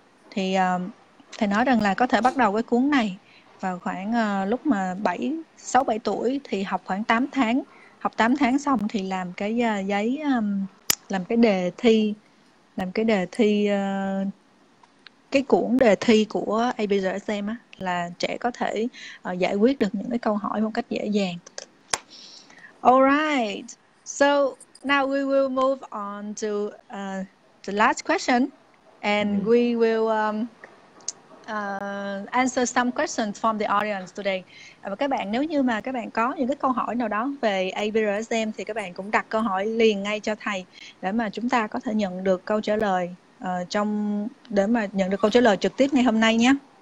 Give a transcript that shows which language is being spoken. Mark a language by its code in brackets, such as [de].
[vi] Thì thầy nói rằng là có thể bắt đầu cái cuốn này vào khoảng lúc mà 6-7 tuổi, thì học khoảng 8 tháng. Học 8 tháng xong thì làm cái giấy, làm cái đề thi, làm cái đề thi, cái cuốn đề thi của ABGSM á, là trẻ có thể giải quyết được những cái câu hỏi một cách dễ dàng. [en] Alright, so now we will move on to the last question, and we will answer some questions from the audience today. [vi] Và các bạn, nếu như mà các bạn có những cái câu hỏi nào đó về ABRSM thì các bạn cũng đặt câu hỏi liền ngay cho thầy để mà chúng ta có thể nhận được câu trả lời trong, để mà nhận được câu trả lời trực tiếp ngày hôm nay nhé.